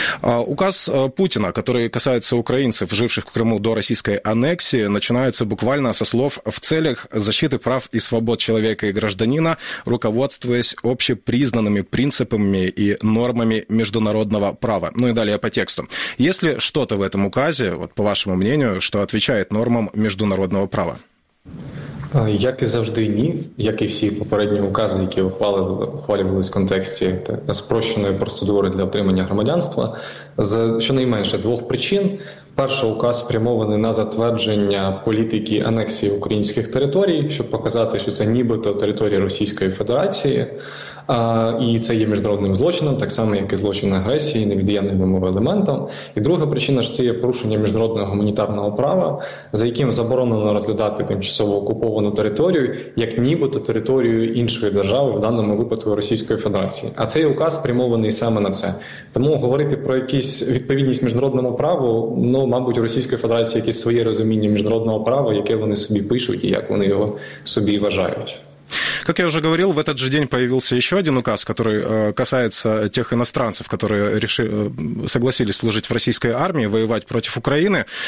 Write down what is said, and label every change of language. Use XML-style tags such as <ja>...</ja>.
<ru>Указ Путина, который касается украинцев, живших в Крыму до российской аннексии, начинается буквально со слов «в целях защиты прав и свобод человека и гражданина, руководствуясь общепризнанными принципами и нормами международного права». Ну и далее по тексту. Есть ли что-то в этом указе, вот по вашему мнению, что отвечает нормам международного права?</ru> <uk>Як і завжди, ні. Як і всі попередні укази, які ухвалювалися в контексті спрощеної процедури для отримання громадянства, за щонайменше двох причин. Перший указ спрямований на затвердження політики анексії українських територій, щоб показати, що це нібито території Російської Федерації. І це є міжнародним злочином, так само, як і злочин агресії, невід'ємним елементом. І друга причина, що це є порушення міжнародного гуманітарного права, за яким заборонено розглядати тимчасово окуповану територію, як нібито територію іншої держави, в даному випадку Російської Федерації. А цей указ спрямований саме на це. Тому говорити про якісь відповідність міжнародному праву, ну, мабуть, у Російської Федерації якесь своє розуміння міжнародного права, яке вони собі пишуть і як вони його собі вважають.</uk> <ru>Как я уже говорил, в этот же день появился еще один указ, который касается тех иностранцев, которые согласились служить в российской армии, воевать против Украины.</ru>